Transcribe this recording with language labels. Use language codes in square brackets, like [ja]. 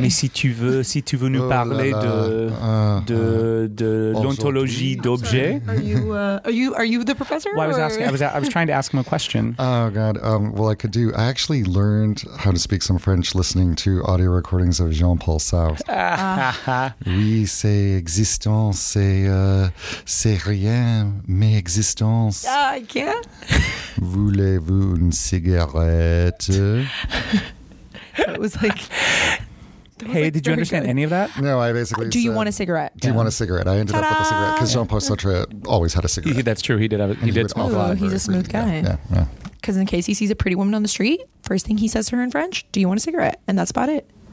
[fr] Mais si tu veux nous parler de l'ontologie d'objet. [en] Are you the professor? Well, I was trying to ask him a question. Oh God. I could do. I actually learned how to speak some French listening to audio recordings of Jean-Paul Sartre. [fr] Oui, c'est existence, c'est rien, mais existence. [en] Ah, I can't. [fr] Voulez-vous une cigarette? [en] It was like... Hey, did you understand any of that? No, I basically said... Do you want a cigarette? Do you want a cigarette? I ended up with a cigarette because Jean-Paul Sartre always had a cigarette. That's true. He did have it. He did smoke a lot. He's a smooth guy. Yeah. Because in case he sees a pretty woman on the street, first thing he says to her in French, do you want a cigarette? And that's about it.